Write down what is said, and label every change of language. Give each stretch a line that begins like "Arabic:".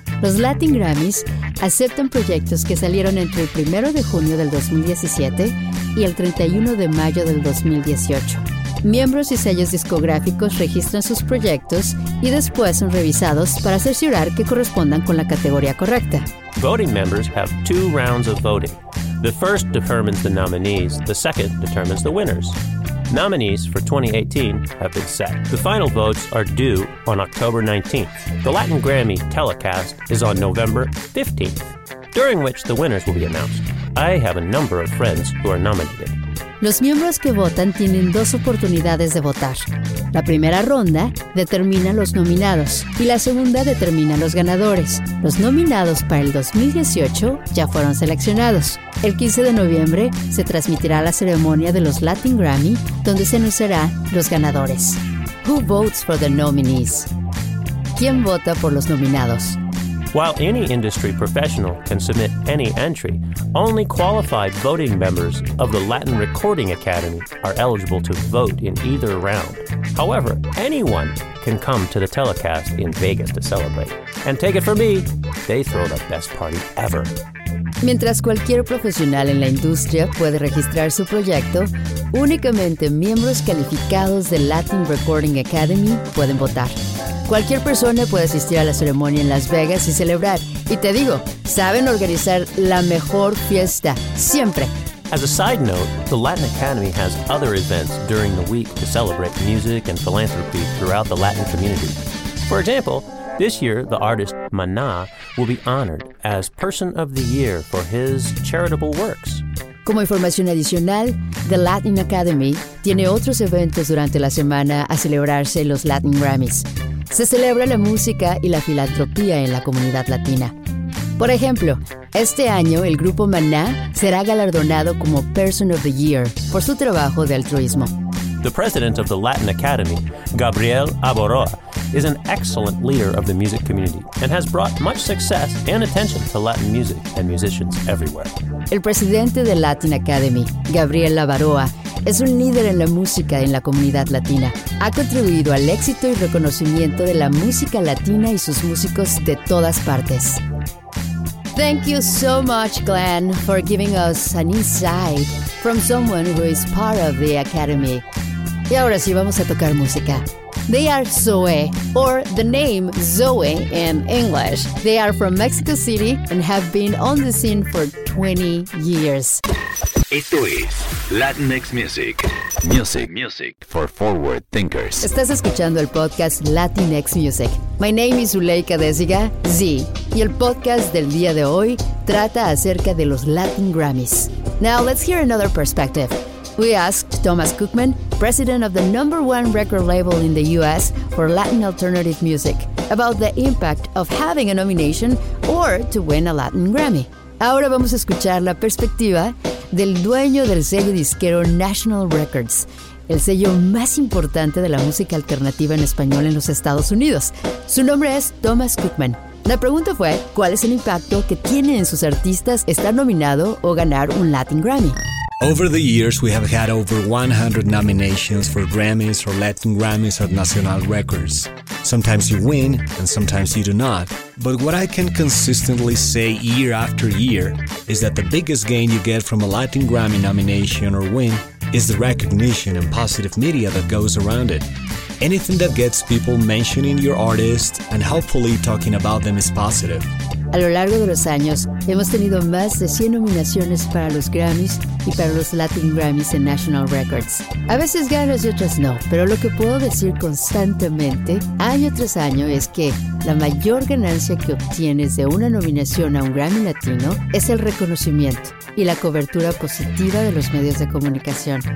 Spanish: Los Latin Grammys aceptan proyectos que salieron entre el 1 de junio del 2017 y el 31 de mayo del 2018. Miembros y sellos discográficos registran sus proyectos y después son revisados para asegurar que correspondan con la categoría correcta.
English: Voting members have two rounds of voting. The first determines the nominees, the second determines the winners. Nominees for 2018 have been set. The final votes are due on October 19th. The Latin Grammy telecast is on November 15th, during which the winners will be announced. I have a number of friends who are nominated.
Spanish: Los miembros que votan tienen dos oportunidades de votar. La primera ronda determina los nominados y la segunda determina los ganadores. Los nominados para el 2018 ya fueron seleccionados. El 15 de noviembre se transmitirá la ceremonia de los Latin Grammy, donde se anunciará los ganadores.
English: Who votes for the nominees?
Spanish: ¿Quién vota por los nominados?
English: While any industry professional can submit any entry, only qualified voting members of the Latin Recording Academy are eligible to vote in either round. However, anyone can come to the telecast in Vegas to celebrate. And take it from me, they throw the best party ever.
Spanish: Mientras cualquier profesional en la industria puede registrar su proyecto, únicamente miembros calificados de Latin Recording Academy pueden votar. Cualquier persona puede asistir a la ceremonia en Las Vegas y celebrar. Y te digo, saben organizar la mejor fiesta, siempre.
English: As a side note, the Latin Academy has other events during the week to celebrate music and philanthropy throughout the Latin community. For example, this year, the artist Maná will be honored as Person of the Year for his charitable works.
Spanish: Como información adicional, the Latin Academy tiene otros eventos durante la semana a celebrarse los Latin Grammys. Se celebra la música y la filantropía en la comunidad latina. Por ejemplo, este año el grupo Maná será galardonado como Person of the Year por su trabajo de altruismo.
English: The president of the Latin Academy, Gabriel Aboroa, is an excellent leader of the music community and has brought much success and attention to Latin music and musicians everywhere.
Spanish: El presidente de Latin Academy, Gabriel Aboroa, es un líder en la música en la comunidad latina. Ha contribuido al éxito y reconocimiento de la música latina y sus músicos de todas partes.
English: Thank you so much, Glenn, for giving us an insight from someone who is part of the Academy.
Spanish: Y ahora sí, vamos a tocar música.
English: They are Zoe, or the name Zoe in English. They are from Mexico City and have been on the scene for 20 years.
Spanish: Esto es Latinx Music.
English: Music, music for forward thinkers.
Spanish: Estás escuchando el podcast Latinx Music.
English: My name is Zuleika Desiga, Z.
Spanish: Y el podcast del día de hoy trata acerca de los Latin Grammys.
English: Now let's hear another perspective. We asked Thomas Cookman, president of the number one record label in the U.S. for Latin alternative music, about the impact of having a nomination or to win a Latin Grammy.
Spanish: Ahora vamos a escuchar la perspectiva del dueño del sello disquero National Records, el sello más importante de la música alternativa en español en los Estados Unidos. Su nombre es Thomas Cookman. La pregunta fue, ¿cuál es el impacto que tiene en sus artistas estar nominado o ganar un Latin Grammy?
English: Over the years, we have had over 100 nominations for Grammys or Latin Grammys at National Records. Sometimes you win, and sometimes you do not. But what I can consistently say year after year is that the biggest gain you get from a Latin Grammy nomination or win is the recognition and positive media that goes around it. Anything that gets people mentioning your artist and hopefully talking about them is positive.
Spanish: A lo largo de los años, hemos tenido más de 100 nominaciones para los Grammys y para los Latin Grammys en National Records. A veces ganas y otras no, pero lo que puedo decir constantemente, año tras año, es que la mayor ganancia que obtienes de una nominación a un Grammy Latino es el reconocimiento y la cobertura positiva de los medios de comunicación.